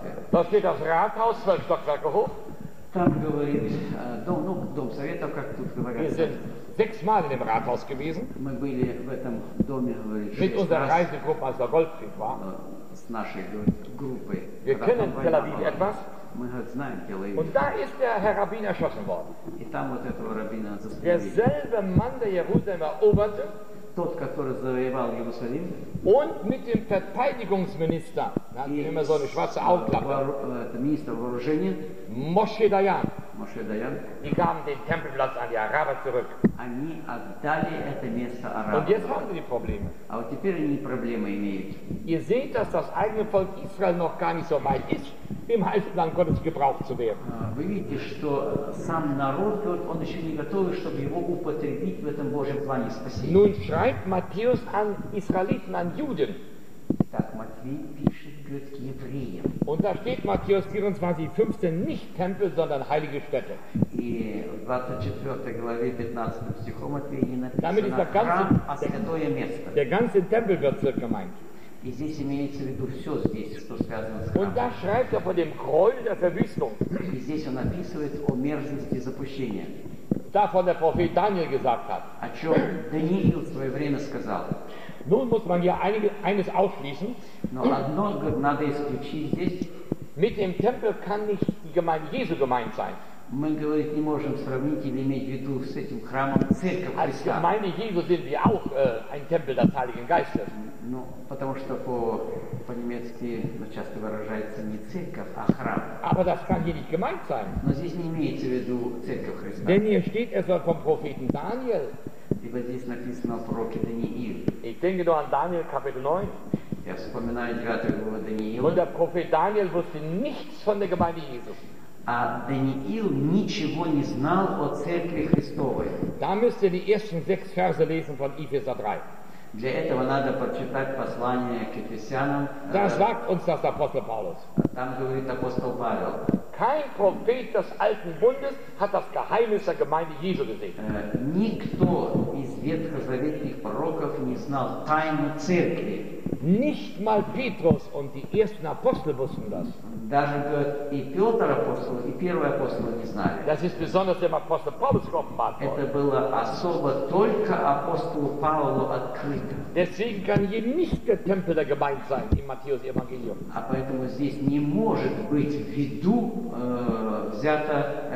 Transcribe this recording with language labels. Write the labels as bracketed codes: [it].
[de] Da steht das Rathaus, 12 Stockwerke hoch. [ru] Там говорит, дом, ну, дом советов, как тут говорят. [de] Sechs Mal in dem Rathaus gewesen. [ru] Мы были в этом доме, говорит. [de] Mit unserer Reisegruppe, als der Golfkrieg war. [ru] С нашей группой. [de] Wir kennen Tel Aviv etwas. [ru] Мы знаем Tel Aviv. [de] Und da ist der Herr Rabin erschossen worden. [ru] И там вот этого Рабина застрелили. [de] Derselbe Mann, der Jerusalem eroberte. [ru] Тот, который завоевал Иерусалим. [de] Und mit dem Verteidigungsminister, da hat immer so eine schwarze Augenklappe, [ru] Minister вооружения, [de] Moshe Dayan. [ru] Moshe Dayan. [de] Die gaben den Tempelplatz an die Araber zurück. [ru] Они отдали это место арабам. [de] Und jetzt haben sie die Probleme. [ru] Aber теперь они проблемы имеют. [de] Ihr seht, dass das eigene Volk Israel noch gar nicht so weit ist, im Heiligen Land Gottes gebraucht zu werden. [ru] Вы видите, что сам народ, он еще не готов, чтобы его употребить в этом Божьем плане спасения. [de] Nun schreibt Matthäus an Israeliten, an Juden. [ru] Так, Матвей пишет, говорит, к евреям. [de] Und da steht Matthäus 24, 15, nicht Tempel, sondern heilige Städte. [ru] И в 24 главе 15 стихом Матвея не написано. [de] Damit ist der ganze, [ru] храм, а святое место. [de] Der ganze Tempelbezirk gemeint. [ru] И здесь имеется в виду все здесь, что связано с храмом. [de] Und da schreibt von dem Gräuel der Verwüstung. [ru] И здесь он описывает о мерзости запущения. [de] Davon der Prophet Daniel gesagt hat. [ru] О чем Даниил в свое время сказал. [de] Nun muss man hier eines ausschließen. [ru] Но одно надо исключить здесь. [de] Mit dem Tempel kann nicht die Gemeinde Jesu gemeint sein. [ru] Мы, говорит, не можем сравнить или иметь в виду с этим храмом церковь [de] Als [ru] Христа. [de] Gemeinde Jesu sind wir auch ein Tempel des Heiligen Geistes. [ru] Ну, потому что по-немецки часто выражается не церковь, а храм. [de] Aber das kann hier nicht gemeint sein. [ru] Но здесь не имеется в виду церковь Христа. [de] Denn hier steht etwa vom Propheten Daniel. [ru] Ибо здесь написано о пророке Даниил. [de] Ich denke nur an Daniel, Kapitel 9. [ru] Я вспоминаю 9 главу Даниила. [de] Und der Prophet Daniel wusste nichts von der Gemeinde Jesu. [ru] А Даниил ничего не знал о церкви Христовой. [de] Da müsst ihr die ersten 6 Verse lesen von Epheser 3. [ru] Для этого надо прочитать послание к Ефесянам. [de] Das sagt uns das Apostel Paulus. [ru] Там говорит апостол Павел. [de] Kein Prophet des alten Bundes hat das Geheimnis der Gemeinde Jesu gesehen. [ru] Никто из ветхозаветных пророков не знал тайну церкви. [de] Nicht mal Petrus und die ersten Apostel wussten das. [ru] Даже и Петр апостол, и первые апостолы не знали. [de] Das ist besonders dem Apostel Paulus offenbart worden. [ru] Это было особо только апостолу Павлу открыто. [de] Deswegen kann hier nicht der Tempel der Gemeinde sein im Matthäus Evangelium. [ru] А поэтому здесь не может быть в виду взято